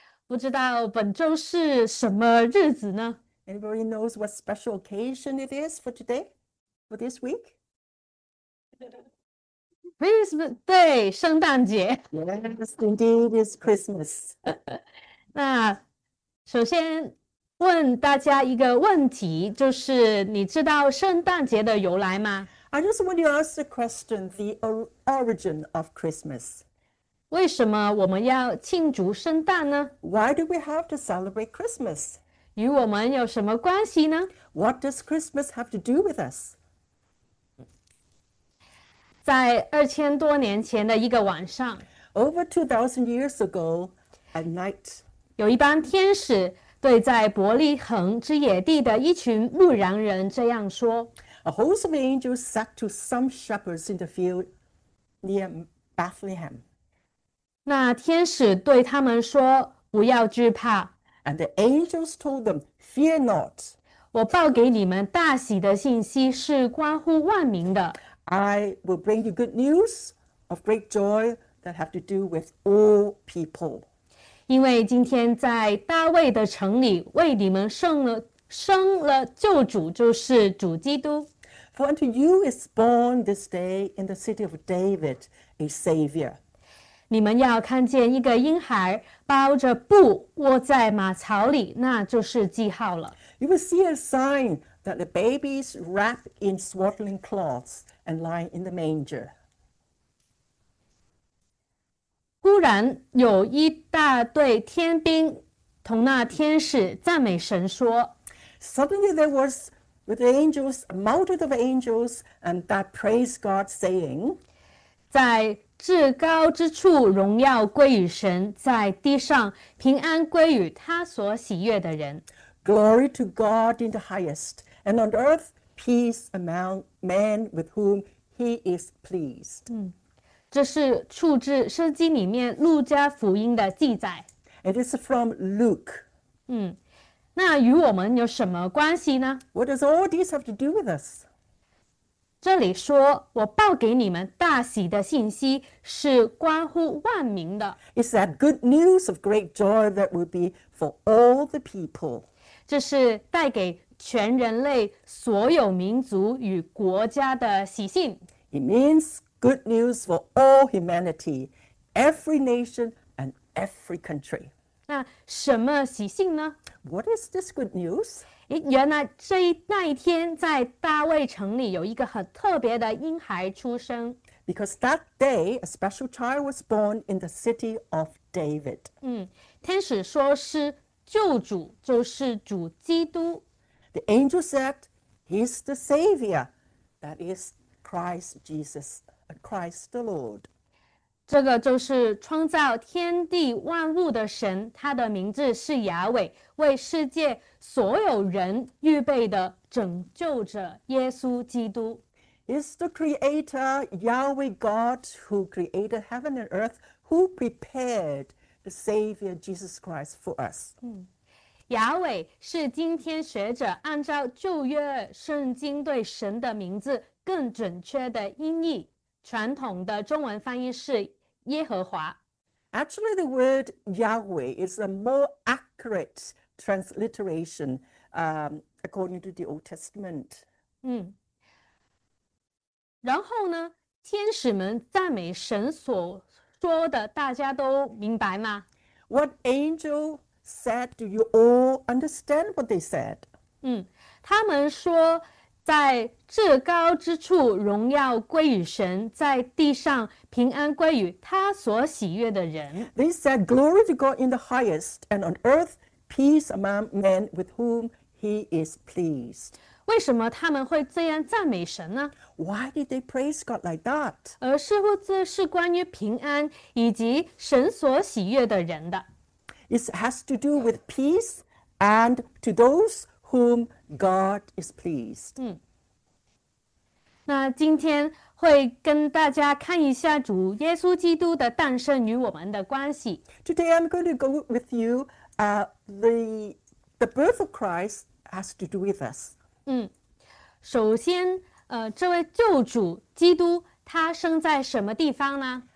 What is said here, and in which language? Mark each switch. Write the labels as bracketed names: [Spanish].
[Chinese] 不知道本周是什么日子呢？ [English] Anybody knows what special occasion it is for today? For this week? [Chinese] Christmas，对，圣诞节。 [English] Yes, indeed, it's Christmas. [Chinese] 那首先问大家一个问题，就是你知道圣诞节的由来吗？ [English] I just want to ask the question, the origin of Christmas. [Chinese] 为什么我们要庆祝圣诞呢？ [English] Why do we have to celebrate Christmas? [Chinese] 与我们有什么关系呢？ [English] What does Christmas have to do with us? [Chinese] 在2000多年前的一个晚上， [English] Over 2,000 years ago, at night, [Chinese] 有一班天使对在伯利恒之野地的一群牧羊人这样说。 [English] a host of angels said to some shepherds in the field near Bethlehem. [Chinese] 那天使对他们说："不要惧 [English] And the angels told them, Fear not. [Chinese] 怕，我报给你们大喜的信息是关乎万民的。 [English] I will bring you good news of great joy that have to do with all people. [Chinese] 因为今天在大卫的城里为你们生了救主，就是主基督。" [English] For unto you is born this day in the city of David a Savior. [Chinese] 你们要看见一个婴孩包着布卧在马槽里，那就是记号了。 [English] You will see a sign that the baby is wrapped in swaddling cloths and lying in the manger. [Chinese] 忽然有一大队天兵同那天使赞美神说。 [English] Suddenly there was with the angels, a multitude of angels, and that praised God, saying, [Chinese] 在至高之处，荣耀归于神；在地上，平安归于他所喜悦的人。 [English] Glory to God in the highest, and on earth peace among men with whom he is pleased. [Chinese] 这是出自圣经里面路加福音的记载。 [English] It is from Luke. [Chinese] 那与我们有什么关系呢？ [English] What does all these have to do with us? [Chinese] 这里说，我报给你们大喜的信息是关乎万民的。 [English] It's that good news of great joy that will be for all the people. [Chinese] 这是带给全人类所有民族与国家的喜讯。 [English] It means good news for all humanity, every nation and every country. [Chinese] 那什么喜讯呢？ [English] What is this good news? [Chinese] 原来那一天在大卫城里有一个很特别的婴孩出生。 [English] Because that day, a special child was born in the city of David. [Chinese] 天使说是救主，就是主基督。 [English] The angel said, He's the Savior, that is Christ Jesus, Christ the Lord. [Chinese] 这个就是创造天地万物的神，他的名字是亚伟，为世界所有人预备的拯救者耶稣基督。 [English] Is the Creator Yahweh God who created heaven and earth, who prepared the Savior Jesus Christ for us? [Chinese] 亚伟是今天学者按照旧约圣经对神的名字更准确的音译，传统的中文翻译是耶和华。 [English] Actually, the word Yahweh is a more accurate transliteration, according to the Old Testament. [Chinese] 然后呢，天使们赞美神所说的，大家都明白吗？ [English] What angel said, do you all understand what they said? [Chinese] 他们说，在至高之处，荣耀归于神；在地上，平安归于他所喜悦的人。 [English] They said, glory to God in the highest, and on earth, peace among men with whom he is pleased. [Chinese] 为什么他们会这样赞美神呢？ [English] Why did they praise God like that? [Chinese] 而似乎这是关于平安以及神所喜悦的人的。 [English] It has to do with peace and to those whom God is pleased. [Chinese] 那今天会跟大家看一下主耶稣基督的诞生与我们的关系。 [English] Today I'm going to go with you. The birth of Christ has to do with us. [Chinese] 首先，这位救主基督，他生在什么地方呢？